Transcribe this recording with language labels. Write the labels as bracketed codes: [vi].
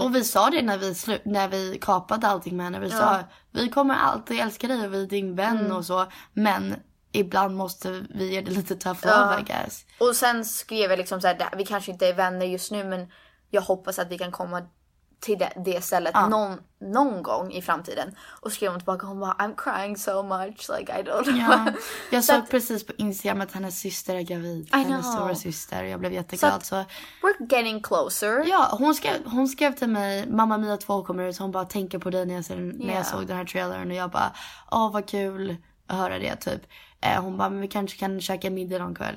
[sv] Och vi sa det när vi, när vi kapade allting med henne. Vi sa, vi kommer alltid älska dig och vi är din vän och så. Men ibland måste vi göra det lite [en] tough love, I guess. [sv] Och sen skrev jag liksom så här, vi kanske inte är vänner just nu men jag hoppas att vi kan komma till det stället någon gång i framtiden. Och skrev hon tillbaka, hon bara, [en] I'm crying so much, like I don't know. [sv] Jag såg precis på Instagram att hennes syster är gravid. Hennes stora syster, jag blev jätteglad. Så [en] we're getting closer. [sv] Ja, hon skrev till mig, Mamma Mia 2 kommer ut, hon bara, tänker på dig när jag såg den här trailern. Och jag bara, åh vad kul att höra det typ. Hon bara, men vi kanske kan käka middag någon kväll.